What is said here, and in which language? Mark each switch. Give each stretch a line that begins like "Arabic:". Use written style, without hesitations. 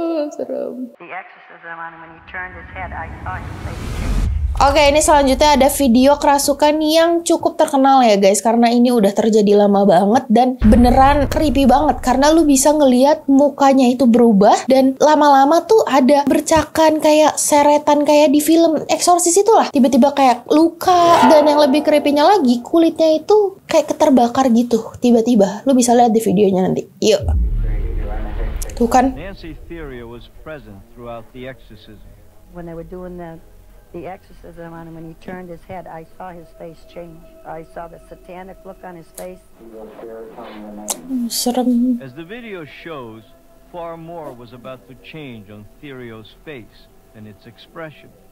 Indonesian: Serem.
English: The exorcist of the man, when he turned his head, I saw his face change.
Indonesian: Oke, ini selanjutnya ada video kerasukan yang cukup terkenal ya guys, karena ini udah terjadi lama banget dan beneran creepy banget karena lu bisa ngelihat mukanya itu berubah dan lama-lama tuh ada bercakan kayak seretan kayak di film Exorcist itulah, tiba-tiba kayak luka, dan yang lebih creepy-nya lagi kulitnya itu kayak keterbakar gitu tiba-tiba. Lu bisa lihat di videonya nanti. Yuk. Tuh kan.
English: Nancy Theria was present throughout the exorcism. When they were doing the exorcism on him, when he turned his head, I saw his face change. I saw the satanic look on his face.
Indonesian: Serem.
English: As the video shows, far more was about to change on Theria's face than its expression.